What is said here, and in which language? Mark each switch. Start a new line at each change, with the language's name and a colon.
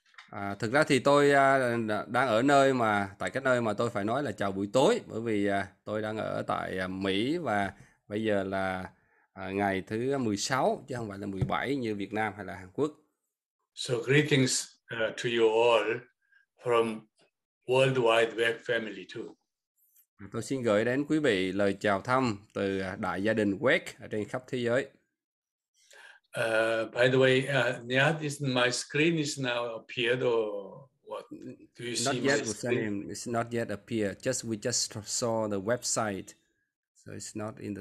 Vietnamese: À, thực ra thì tôi đang ở nơi mà tại cái nơi mà tôi phải nói là chào buổi tối bởi vì tôi đang ở tại Mỹ và bây giờ là ngày thứ 16 chứ không phải là 17 như Việt Nam hay là Hàn Quốc.
English: So greetings to you all from worldwide web family too.
Vietnamese: Tôi xin gửi đến quý vị lời chào thăm từ đại gia đình web ở trên khắp thế giới.
English: By the way, Nihat, is my screen is now appeared or what? Do you not see yet, my screen? it's not yet appear. Just we just saw the website, so it's not in the